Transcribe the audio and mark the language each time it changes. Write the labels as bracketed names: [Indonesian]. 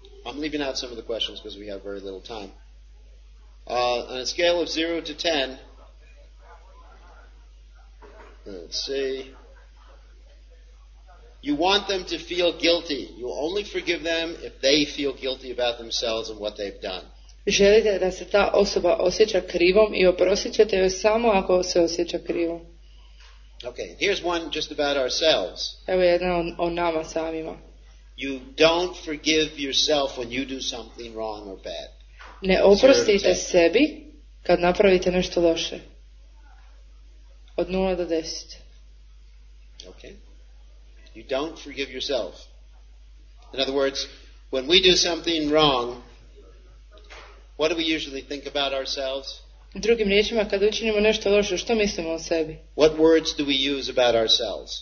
[English] I'm leaving out some of the questions because we have very little time. On a scale of 0 to 10, let's see, you want them to feel guilty. You only forgive them if they feel guilty about themselves and what they've done. [Croatian] Želite da se ta osoba osjeća krivom i oprostit ćete joj samo ako se osjeća krivom. [English] Okay, here's one just about ourselves. [Croatian] Evo jedna o nama samima. [English] You don't forgive yourself when you do something wrong or bad. [Croatian] Ne oprostite sebi kad napravite nešto loše. Od 0 do 10. [English] Okay. You don't forgive yourself. In other words, when we do something wrong, what do we usually think about ourselves? [Croatian] Drugim riječima, kad učinimo nešto loše, što mislimo o sebi? [English] What words do we use about ourselves?